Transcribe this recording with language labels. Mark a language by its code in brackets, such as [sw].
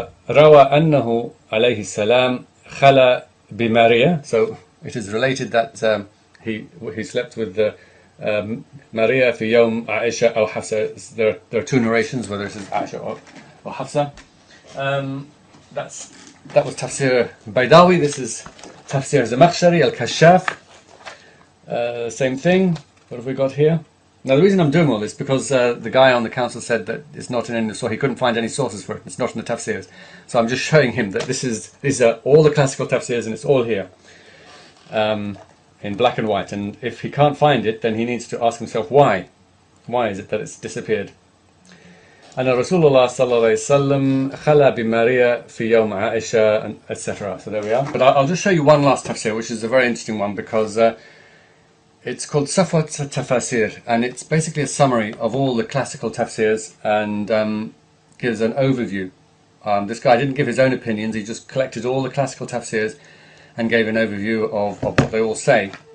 [ar] روى أنه عليه السلام خلى بماريا. [en] So it is related that he slept with Maria [ar] في يوم عائشة أو حفصة. [en] There are two narrations, whether it is Aisha or Hafsa. That was Tafsir Baydawi. This is Tafsir Zamakhshari Al-Kashaf. Same thing. What have we got here? Now, the reason I'm doing all this is because the guy on the council said that it's not in any source. He couldn't find any sources for it. It's not in the tafsirs. So I'm just showing him that these are all the classical tafsirs, and it's all here in black and white. And if he can't find it, then he needs to ask himself why. Why is it that it's disappeared? [ar] أن رسول الله صلى الله عليه وسلم خلى بماريا في يوم عائشة etc. [en] So there we are. But I'll just show you one last tafsir, which is a very interesting one, because it's called Safwat Tafasir, and it's basically a summary of all the classical tafsirs and gives an overview. This guy didn't give his own opinions, he just collected all the classical tafsirs and gave an overview of what they all say.